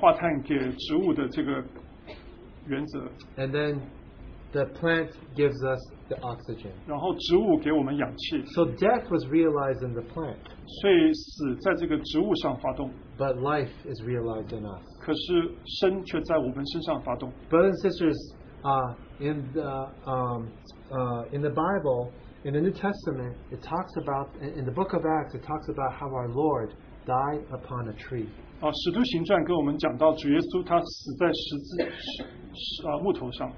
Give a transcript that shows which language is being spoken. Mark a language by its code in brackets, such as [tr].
[zh] 我们讲到我们把二氧化碳给植物的这个原则。 [en] And then the plant gives us the oxygen. [zh] 然后植物给我们氧气。 [en] So death was realized in the plant. [zh] 所以死在这个植物上发动。 [en] But life is realized in us. [zh] 可是生却在我们身上发动。 [en] Brothers and sisters, in the Bible, in the New Testament, it talks about, in the book of Acts, it talks about how our Lord died upon a tree. [zh] 使徒行传跟我们讲到主耶稣他死在十字木头上。